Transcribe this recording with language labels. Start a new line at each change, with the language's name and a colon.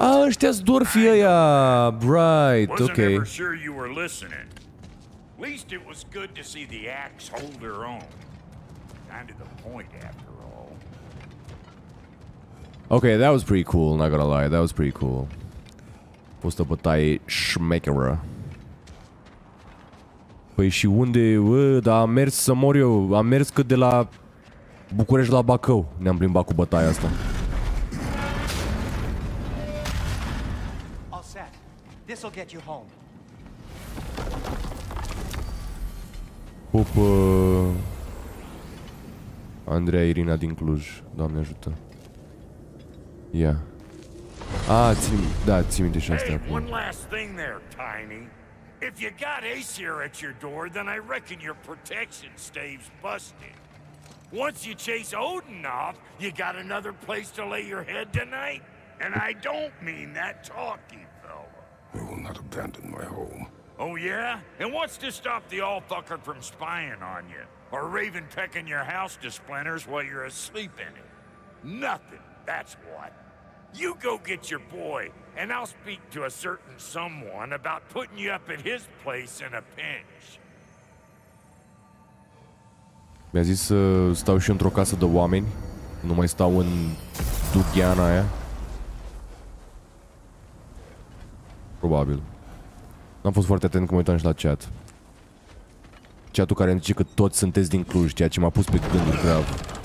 Romanian: Ah, ăștia-s dwarfii ăia.
English: Right, wasn't okay. Wasn't ever sure you were listening. At least it was good to see the axe hold her own. Kind of the point after all. Okay, that was pretty cool, not gonna lie. That was pretty cool.
Romanian: Fost o bătaie șmecheră. Păi și unde, dar am mers să mor eu, am mers cât de la București la Bacău, ne-am plimbat cu bătaia asta.
English: All set. This'll get you home.
Romanian: Pupă. Andreea Irina din Cluj, Doamne ajută. Ia. Yeah. Ah, țin, da, țin minte și asta.
English: Hey, one last thing there, Tiny. If you got Aesir at your door, then I reckon your protection stave's busted. Once you chase Odin off, you got another place to lay your head tonight? And I don't mean that talky fella. I will not abandon my home. Oh yeah? And what's to stop the all-fucker from spying on you? Or Raven pecking your house to splinters while you're asleep in it? Nothing, that's what. You go get your boy, and I'll speak to a certain someone about putting you up at his place in a pinch.
Romanian: Mi-a zis să stau și într-o casă de oameni, nu mai stau în dugheana aia. Probabil. N-am fost foarte atent când mă uitam și la chat. Chatul care îmi zice că toți sunteți din Cluj, ceea ce m-a pus pe gânduri grav.